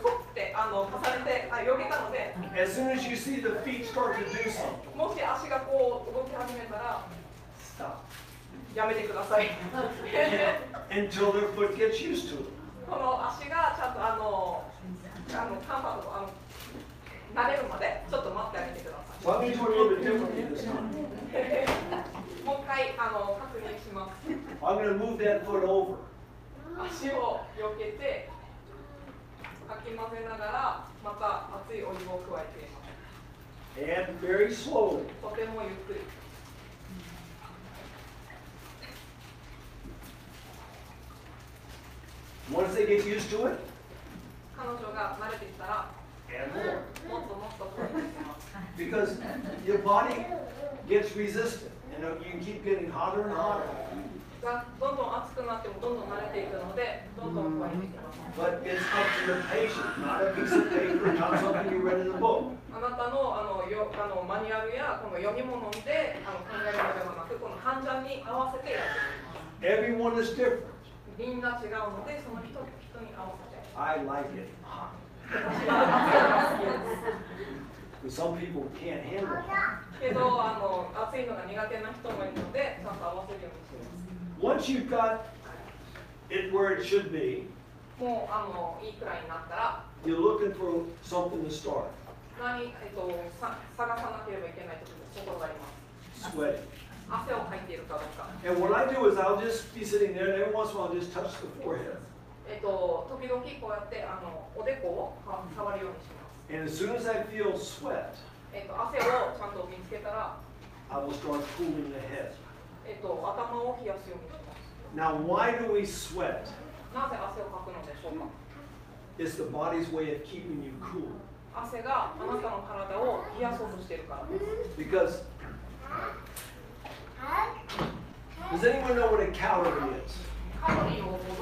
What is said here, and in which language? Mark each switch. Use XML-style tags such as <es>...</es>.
<ja>って、あの、重ねて、あ、避けたので。</ja> <en>As soon as you see the feet start to do something。</en> <ja>もし足がこう動き始めたら。</ja> <en>Stop。</en> <ja>やめてください。</ja> <en>Yeah, until their foot gets used to it。</en> <ja>この足がちゃんとあの、タンパクト、慣れるまで、ちょっと待ってあげてください。</ja> <en>Why don't you do a little bit differently this time?</en> <ja>もう一回、確認します。</ja> <en>I'm gonna move that foot over。</en> <ja>足を避けて、かき混ぜながら、また熱いお湯を加えています。</ja> <en>And very slowly。</en> <ja>とてもゆっくり。</ja> <en>Once they get used to it,</en> <ja>彼女が慣れてきたら、もっともっと加えていきます。</ja> <en>Because your body gets resistant, and you keep getting hotter and hotter.</en> <ja>どんどん熱くなってもどんどん慣れていくので、どんどん加えていきます。</ja> <en>But it's up to the patient, not a piece of paper, not something you read in the book.</en> <ja>あなたのマニュアルやこの読み物を見て考えるのではなく、この患者に合わせてやってます。</ja> <en>Everyone is different.</en> <ja>みんな違うのでその人に合わせて。</ja> <en>I like it hot. Some people can't handle it.</en> <ja>けど暑いのが苦手な人もいるのでちゃんと合わせるようにします。</ja> <en>Once you've got it where it should be,</en> <ja>もういいくらいになったら、</ja> <en>you're looking for something to start.</en> <ja>何探さなければいけないところがあります。</ja> <en>Sweat.</en> <ja>汗を吐いているかどうか。</ja> <en>And what I do is I'll just be sitting there, and every once in a while I'll just touch the forehead.</en> <ja>時々こうやっておでこを触るようにします。</ja> <en>And as soon as I feel sweat,</en> <ja>汗をちゃんと見つけたら、</ja> <en>I will start cooling the head.</en> <ja>頭を冷やすようにします。</ja> <en>Now why do we sweat?</en> <ja>なぜ汗をかくのでしょうか。</ja> <en>It's the body's way of keeping you cool.</en> <ja>汗があなたの体を冷やそうとしているからです。</ja> <en>Because Does anyone know what a calorie is?</en>